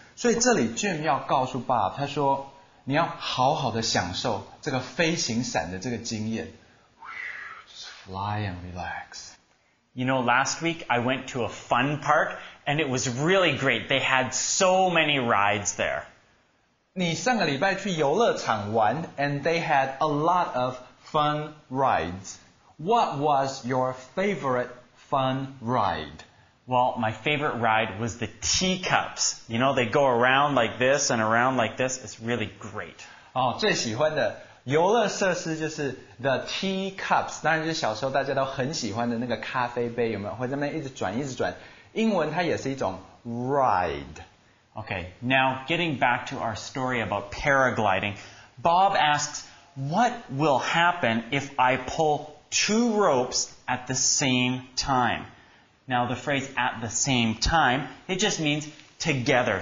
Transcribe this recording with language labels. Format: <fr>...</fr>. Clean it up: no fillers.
<zh>所以这里Jim要告诉Bob, 他说, 你要好好地享受这个飞行伞的这个经验。</zh> <en>Just fly and relax. You know, last week I went to a fun park, and it was really great. They had so many rides there.</en> <zh>你上个礼拜去游乐场玩,</zh> <en>and they had a lot of fun rides. What was your favorite fun ride? Well, my favorite ride was the teacups. You know, they go around like this and around like this. It's really great.</en> <zh>最喜欢的游乐设施就是</zh> <en>the teacups.</en> <zh>当然就是小时候大家都很喜欢的那个咖啡杯, 有没有? 会在那边一直转。英文它也是一种 ride.</zh> <en>Okay, now getting back to our story about paragliding, Bob asks, what will happen if I pull two ropes at the same time? Now the phrase at the same time, it just means together.</en>